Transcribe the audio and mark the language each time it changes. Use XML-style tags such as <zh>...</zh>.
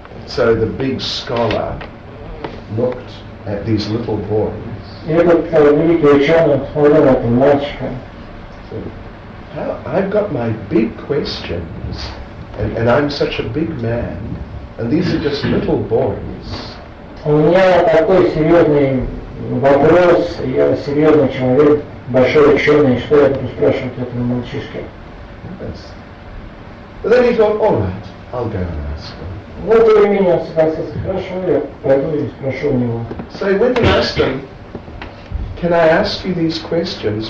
<en>So the big scholar looked at these little boys.</en> <ru>И этот великий ученый смотрел на этого мальчика.</ru> <en>I've got my big questions, and I'm such a big man, and these are just little boys.</en> <ru>У меня такой серьезный вопрос, я серьезный человек, большой ученый, что я буду спрашивать этого мальчишки?</ru> <en>Yes. But then he thought, all right, I'll go and ask him.</en> <ru>Вот и меня спросил, хорошо, я пойду и спрошу у него.</ru> <en>So he went and asked him, can I ask you these questions?</en>